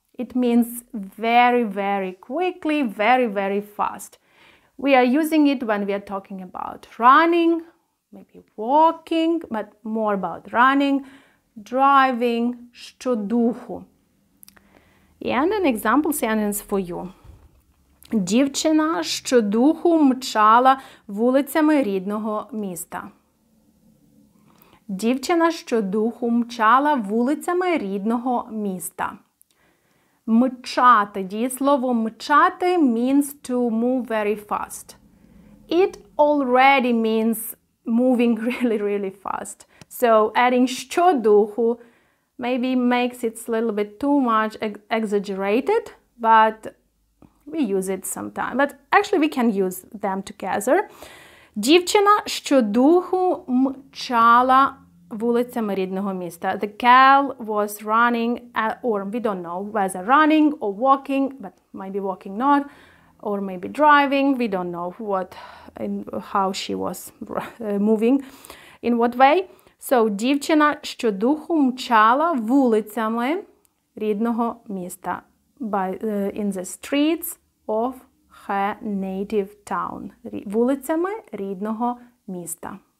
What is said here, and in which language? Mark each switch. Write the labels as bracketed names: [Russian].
[English] It means very, very quickly, very, very fast. We are using it when we are talking about running, maybe walking, but more about running, driving, щодуху. And an example sentence for you. [Ukrainian] Дівчина щодуху мчала вулицями рідного міста. Дівчина щодуху мчала вулицями рідного міста. Мчати. Дієслово мчати [English] means to move very fast. It already means moving really, really fast. So adding щодуху maybe makes it a little bit too much exaggerated, but we use it sometimes. But actually, we can use them together. [Ukrainian] Дівчина щодуху мчала вулицями рідного міста. [English] The girl was running, or we don't know whether running or walking, but maybe walking not, or maybe driving. We don't know what and how she was moving, in what way. [Ukrainian] So, дівчина щодуху мчала вулицями рідного міста. [English] In the streets of her native town. [Ukrainian] Вулицями рідного міста.